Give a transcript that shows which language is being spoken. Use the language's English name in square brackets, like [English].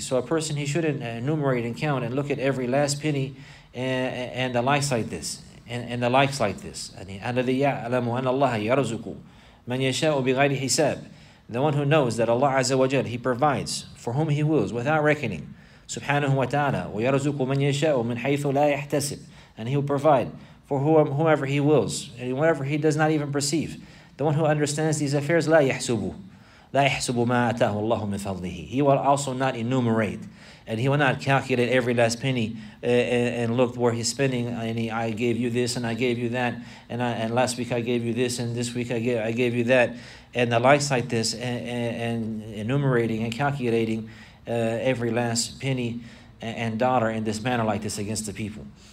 [English] So a person, he shouldn't enumerate and count and look at every last penny and the likes like this. And the likes like this. [Arabic] الَّذِي يَعْلَمُ أَنَّ اللَّهَ يَرْزُقُ مَنْ يَشَاءُ بِغَيْرِ حِسَابٍ. [English] The one who knows that Allah Azza wa Jal, He provides for whom He wills without reckoning. [Arabic] سبحانه وتعالى ويرزق من يشاء من حيث لا يحتسب. [English] And He will provide for whomever He wills, and whomever He does not even perceive. The one who understands these affairs, [Arabic] لا يحسب ما أتاه الله من فضله. [English] He will also not enumerate, and He will not calculate every last penny and look where He's spending. And I gave you this, and I gave you that, and last week I gave you this, and this week I gave you that, and the likes like this, and enumerating and calculating every last penny and dollar in this manner like this against the people.